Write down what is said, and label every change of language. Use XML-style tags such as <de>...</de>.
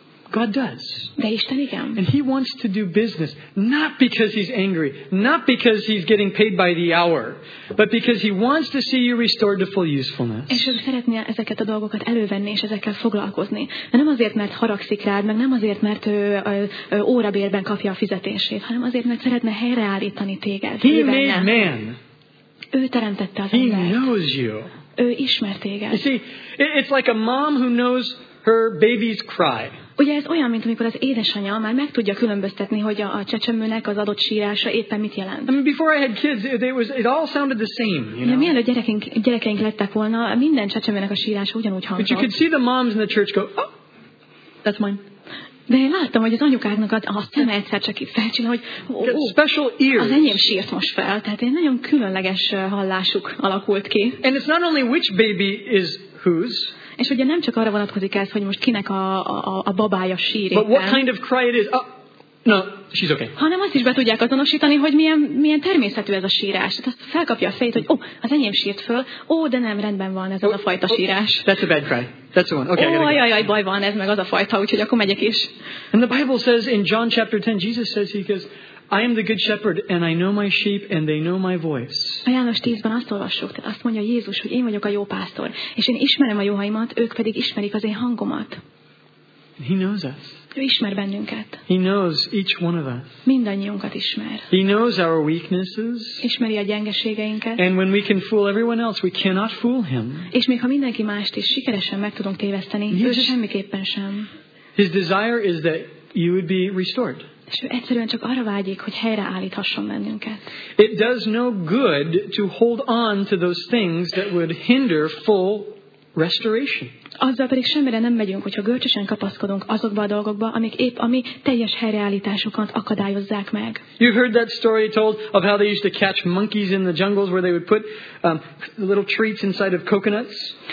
<en>God does.</en> <hu>De Isten igen.</hu> <en>And he wants to do business not because he's angry, not because he's getting paid by the hour, but because he wants to see you restored to full usefulness.</en> <hu>És ő szeretné ezeket a dolgokat elővenni és ezekkel foglalkozni. De nem azért, mert haragszik rád, meg nem azért, mert ő órabérben kapja a fizetését, hanem azért, mert szeretne helyreállítani téged.</hu> <en>He made man.</en> <hu>Ő teremtette az</hu> <en>he</en> <hu>embert.</hu> <en>He knows you.</en> <hu>Ő ismer téged.</hu> <en>You see, it's like a mom who knows her baby's cry.</en> <hu>Ugye ez olyan, mint amikor az édesanyja már meg tudja különböztetni, hogy a csecsemőnek az adott sírása éppen mit jelent.</hu> <en>I mean, before I had kids, it all sounded the same, you know.</en> <hu>Mielőtt gyerekeink lettek volna, minden csecsemőnek a sírása ugyanúgy hangzott.</hu> <en>But you could see the moms in the church go, oh, that's mine.</en> <hu>De én láttam, hogy az anyukáknak a szeme egyszer csak felcsinál, hogy az enyém sírt most fel. Tehát egy nagyon különleges hallásuk alakult ki.</hu> <en>And it's not only which baby is whose.</en> <hu>És ugye nem csak arra vonatkozik ez, hogy most kinek a babája sír éppen.</hu> <en>But what kind of cry it is? No, she's okay.</en> <hu>Hanem azt is be tudják azonosítani, hogy milyen természetű ez a sírás. Tehát felkapja a fejét, hogy az enyém sírt föl, de nem, rendben van ez az a fajta sírás.</hu> <en>That's a bad cry. That's the one. Okay,</en> <hu>jaj, baj van, ez meg az a fajta, úgyhogy akkor megyek is.</hu> <en>And the Bible says in John chapter 10, Jesus says, he goes, I am the good shepherd, and I know my sheep, and they know my voice.</en> <hu>A János 10-ben azt olvassuk, tehát azt mondja Jézus, hogy én vagyok a jó pásztor, és én ismerem a juhaimat, ők pedig ismerik az én hangomat.</hu> <en>He knows us.</en> <hu>Ő ismer bennünket.</hu> <en>He knows each one of us.</en> <hu>Mindannyiunkat ismer.</hu> <en>He knows our weaknesses.</en> <hu>Ismeri a gyengeségeinket.</hu> <en>And when we can fool everyone else, we cannot fool him.</en> <hu>És még ha mindenki mást is sikeresen meg tudunk téveszteni, ő semmiképpen sem.</hu> <en>His desire is that you would be restored.</en> <hu>És ő egyszerűen csak arra vágyik, hogy helyreállíthasson bennünket.</hu> <en>It does no good to hold on to those things that would hinder full restoration.</en> <hu>Azzal pedig semmire nem megyünk, hogyha görcsösen kapaszkodunk azokba a dolgokba, amik épp a mi teljes helyreállításunkat akadályozzák meg.</hu> <en>You've heard that story told of how they used to catch monkeys in the jungles where they would put little treats inside of coconuts?</en>